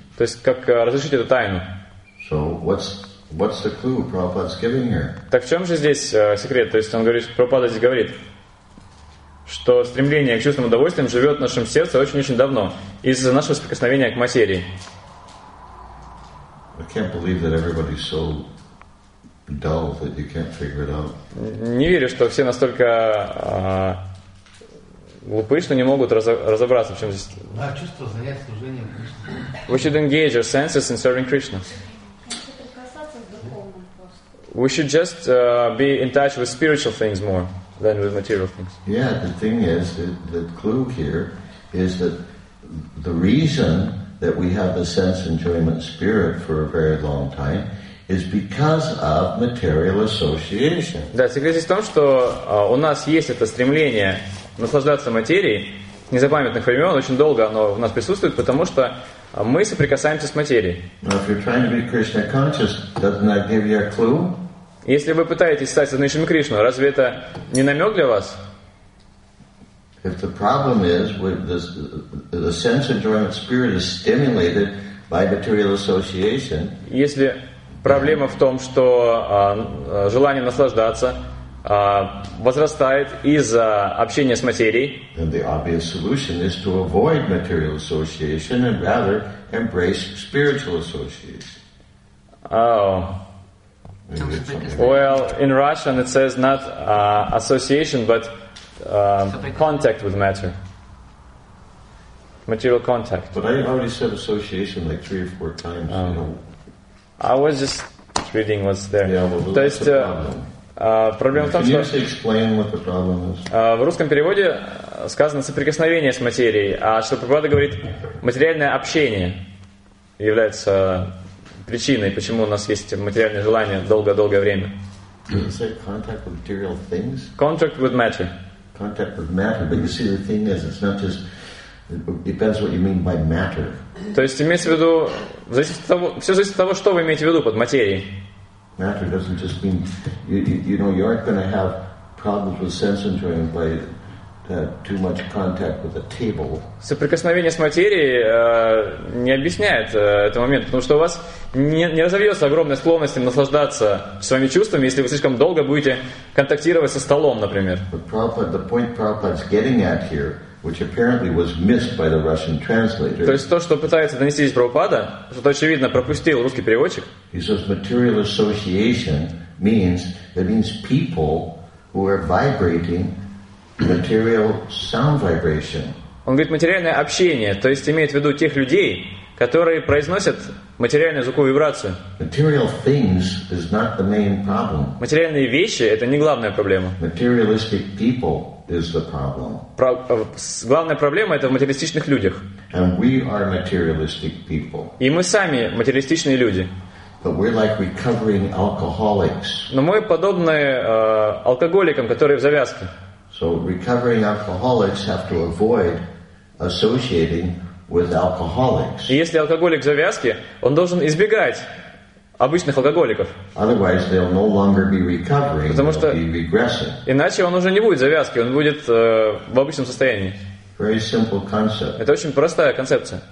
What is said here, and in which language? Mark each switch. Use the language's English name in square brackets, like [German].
[Russian] То есть как разрешить эту тайну. [English] So What's the clue Prabhupada's giving here? [Russian] Так в чем же здесь секрет? То есть он говорит, Прабхупада здесь говорит, что стремление к чувственным удовольствиям живет в нашем сердце очень-очень давно из-за нашего соприкосновения к материи. [English] I can't believe that everybody's so dull that you can't figure it out. [Russian] Не верю, что все настолько глупы, что не могут разобраться, в чем здесь. Да, чувство занять служением Кришне. [English] We should engage our senses in serving Krishna. We should just be in touch with spiritual things more than with material things. Yeah, the thing is, the clue here is that the reason that we have the sense enjoyment spirit for a very long time is because of material association. [Russian] Да, секрет в том, что у нас есть это стремление наслаждаться материей незапамятных времен, очень долго оно у нас присутствует, потому что мы соприкасаемся с материей. [English] Now, if you're trying to be Krishna conscious, doesn't that give you a clue? [Russian] Если вы пытаетесь стать сознающим Кришну, разве это не намек для вас? [English] If the problem is with this, the sense enjoyment spirit is stimulated by material association. [Russian] Если проблема в том, что желание наслаждаться возрастает из-за общения с материей. [English] Then the obvious solution is to avoid material association and rather embrace spiritual association. Oh. Well, in Russian it says not association, but contact with matter. Material contact. But I already said association like 3 or 4 times. I was just reading what's there. Yeah, well, that's a problem. Can you just explain what the problem is? [Russian] В русском переводе сказано «соприкосновение с материей», а что Прабхупада говорит «материальное общение» является причиной, почему у нас есть материальное желание долгое-долгое время. [English] Contact with material things? Contact with matter. Contact with matter. But you see, the thing is, it's not just... It depends what you mean by matter. [Russian] То есть имеется в виду, все зависит от того, что вы имеете в виду под материей. [English] Matter doesn't just mean, you know, you aren't going to have problems with sense enjoyment by too much contact with a table. [Russian] Соприкосновение с материей не объясняет этот момент, потому что у вас не разовьется огромная склонность наслаждаться своими чувствами, если вы слишком долго будете контактировать со столом, например. [English] The point Prabhupada's getting at here, which apparently was missed by the Russian translator. [Russian] То есть то, что пытается донести здесь Прабхупада, что очевидно пропустил русский переводчик. [English] He says material association means that means people who are vibrating material sound vibration. [Russian] Он говорит материальное общение, то есть имеет в виду тех людей, которые произносят материальную звуковую вибрацию. [English] Material things is not the main problem. [Russian] Материальные вещи это не главная проблема. [English] Materialistic people is the problem. [Russian] Главная проблема это в материалистичных людях. [English] And we are materialistic people. [Russian] И мы сами материалистичные люди. [English] But we're like recovering alcoholics. [Russian] Но мы подобны алкоголикам, которые в завязке. [English] So recovering alcoholics have to avoid associating with alcoholics. [Russian] И если алкоголик в завязке, он должен избегать обычных алкоголиков. [English] Otherwise, they'll no longer be recovering. [Russian] Потому что [English] they'll be regressing. [Russian] Иначе он уже не будет в завязке, он будет в обычном состоянии. [English] Very simple concept. [Russian] Это очень простая концепция.